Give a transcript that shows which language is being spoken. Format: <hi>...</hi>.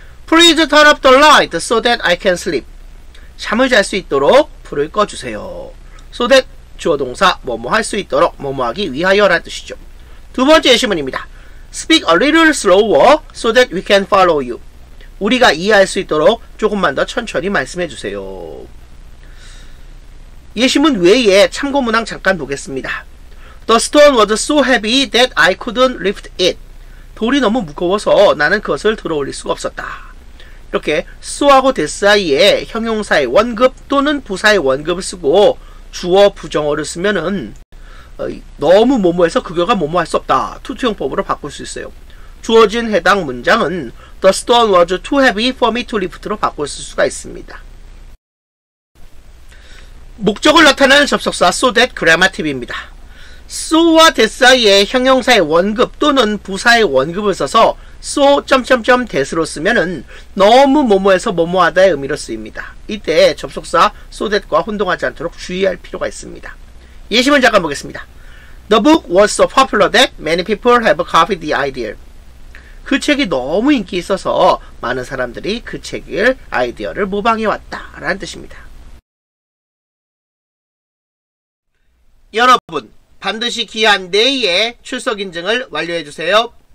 <en>Please turn up the light so that I can sleep.</en> <ko>잠을 잘 수 있도록 불을 꺼주세요. so that 주어 동사 뭐뭐 할 수 있도록 뭐뭐 하기 위하여라는 뜻이죠. 두 번째 예시문입니다.</ko> <en>Speak a little slower so that we can follow you.</en> <ko>우리가 이해할 수 있도록 조금만 더 천천히 말씀해 주세요. 예시문 외에 참고 문항 잠깐 보겠습니다.</ko> <en>The stone was so heavy that I couldn't lift it.</en> <ko>돌이 너무 무거워서 나는 그것을 들어올릴 수가 없었다. 이렇게 so하고 that 사이에 형용사의 원급 또는 부사의 원급을 쓰고 주어 부정어를 쓰면은 너무 뭐뭐해서 그거가 뭐뭐할 수 없다. 투투형법으로 바꿀 수 있어요. 주어진 해당 문장은</ko> <en>The stone was too heavy for me to lift</en> <ko>로 바꿀 수가 있습니다. 목적을 나타내는 접속사 so that 그래마 팁입니다. so와 that 사이에 형용사의 원급 또는 부사의 원급을 써서 so... that으로 쓰면은 너무 뭐뭐해서 뭐뭐하다의 의미로 쓰입니다. 이때 접속사 so that과 혼동하지 않도록 주의할 필요가 있습니다. 예시문 잠깐 보겠습니다.</ko> <en>The book was so popular that many people have copied the idea.</en> <ko>그 책이 너무 인기 있어서 많은 사람들이 그 책을 아이디어를 모방해 왔다 라는 뜻입니다. 여러분 반드시 기한 내에 출석 인증을 완료해 주세요.</ko>